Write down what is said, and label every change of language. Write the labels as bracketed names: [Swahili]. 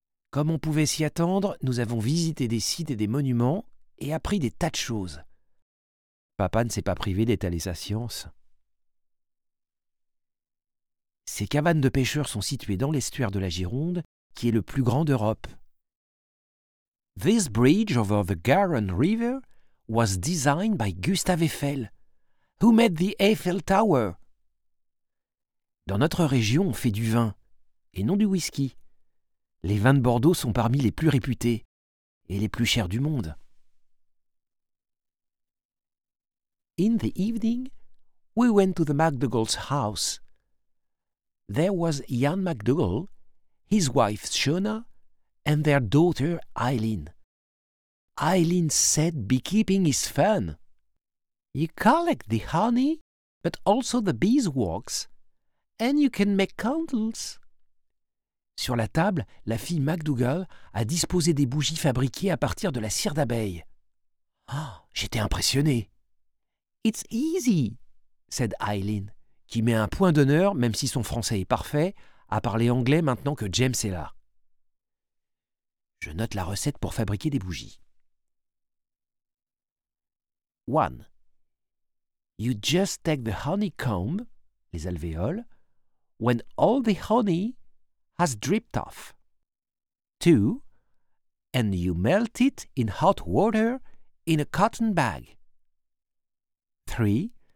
[French] Comme on pouvait s'y attendre, nous avons visité des sites et des monuments et appris des tas de choses. Papa ne s'est pas privé d'étaler sa science. Ces cabanes de pêcheurs sont situées dans l'estuaire de la Gironde, qui est le plus grand d'Europe. [English] This bridge over the Garonne River was designed by Gustave Eiffel, who made the Eiffel Tower. [French] Dans notre région, on fait du vin, et non du whisky. Les vins de Bordeaux sont parmi les plus réputés et les plus chers du monde. [English] In the evening, we went to the MacDougall's house. There was Ian MacDougall, his wife Shona, and their daughter Eileen. Eileen said beekeeping is fun. You collect the honey, but also the beeswax, and you can make candles. [French] Sur la table, la fille MacDougall a disposé des bougies fabriquées à partir de la cire d'abeille. Oh, j'étais impressionné. [English] It's easy, said Eileen, [French] qui met un point d'honneur, même si son français est parfait, à parler anglais maintenant que James est là. Je note la recette pour fabriquer des bougies. [English] 1. You just take the honeycomb, [French] les alvéoles, [English] when all the honey has dripped off. 2. And you melt it in hot water in a cotton bag. 3.